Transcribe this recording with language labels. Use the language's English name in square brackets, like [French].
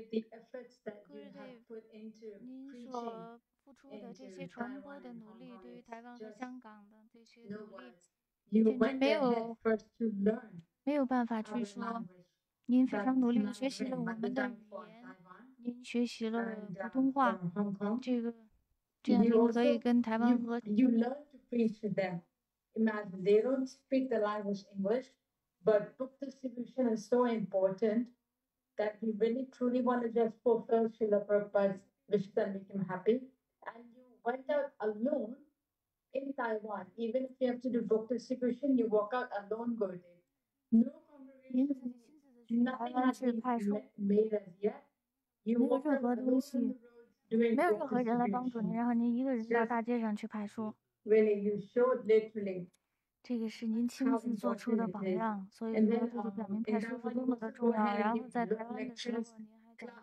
[Chinese] 您所付出的这些传播的努力，对于台湾和香港的这些努力，简直没有办法去说。您非常努力地学习了我们的语言，您学习了普通话，这样您可以跟台湾和。 [English] You learn to preach to them. Imagine they don't speak the language English, But book distribution is so important that you really truly want to just fulfill Srila Prabhupada's wish and make him happy. And you went out alone in Taiwan. Even if you have to do book distribution, you walk out alone, Gurudev. No congregation, nothing has been made as yet. You walk out on the road doing book. Really, you showed literally. [Chinese] 这个是您亲自做出的榜样，所以说这就表明拍摄是多么的重要。然后在台湾的时候，您还讲